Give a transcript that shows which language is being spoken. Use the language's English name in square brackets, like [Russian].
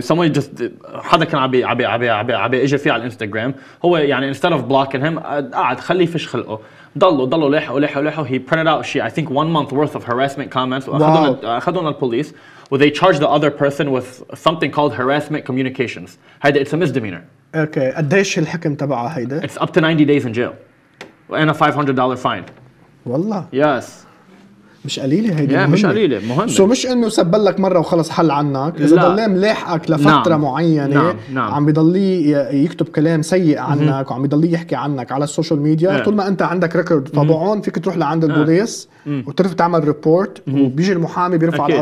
[English] yeah someone just [Arabic] حدا كان عبي عبي عبي عبي عبي اجى فيه على الانستغرام هو يعني [English] instead of blocking him [Arabic] قعد خليه فش خلقه ضلوا لحقوا لحقوا [English] لحقوا he printed out shit I think one month worth of harassment comments [Arabic] اخذوهم للبوليس [English] and they charged the other person with something called harassment communications هذا it's a misdemeanor [Arabic] اوكي قديش الحكم تبعه هيدا [English] it's up to 90 days in jail and a $500 fine [Arabic] والله [English] yes [Arabic] مش قليلة هيدي yeah, مش قليلة مهمة سو مش انه سبلك مرة وخلص حل عنك اذا ضليه ملاحقك لفترة نعم. معينة نعم. عم بيضليه يكتب كلام سيء عنك وعم بيضليه يحكي عنك على السوشيال ميديا yeah. طول ما انت عندك ريكورد طبعون فيك تروح لعند البوليس وترفع تعمل ريبورت وبيجي المحامي بيرفع okay.